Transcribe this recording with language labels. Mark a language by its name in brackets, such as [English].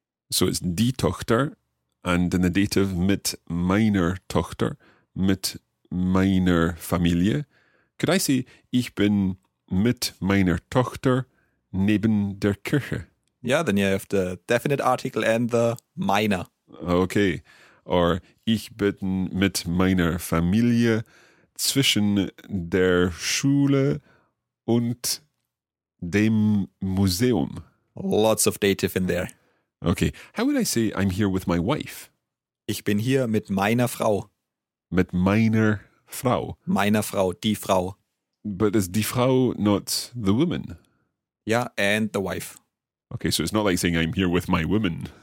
[English] So it's die Tochter, and in the dative [German] mit meiner Tochter, mit meiner Familie. [English] Could I say [German] ich bin mit meiner Tochter neben der Kirche? [English] Yeah, then you have the definite article and the meiner. Okay. [German] Or ich bin mit meiner Familie zwischen der Schule und dem Museum. [English] Lots of dative in there. Okay. How would I say I'm here with my wife? [German] Ich bin hier mit meiner Frau. Mit meiner Frau. Meiner Frau, die Frau. [English] But is die Frau not the woman? Yeah, and the wife. Okay, so it's not like saying I'm here with my woman.